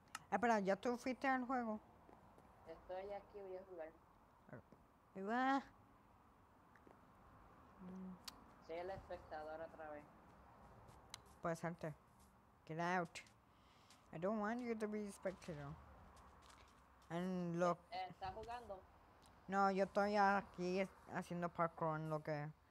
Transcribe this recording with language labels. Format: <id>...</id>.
<es>Espera, ¿ya tú fuiste al juego? Estoy aquí, voy a jugar. ¿Va? Soy el espectador otra vez. Puedes salte.</es> <en>Get out. I don't want you to be a spectator. And look.</en> <es>¿Estás jugando? No, yo estoy aquí haciendo parkour en lo que...</es>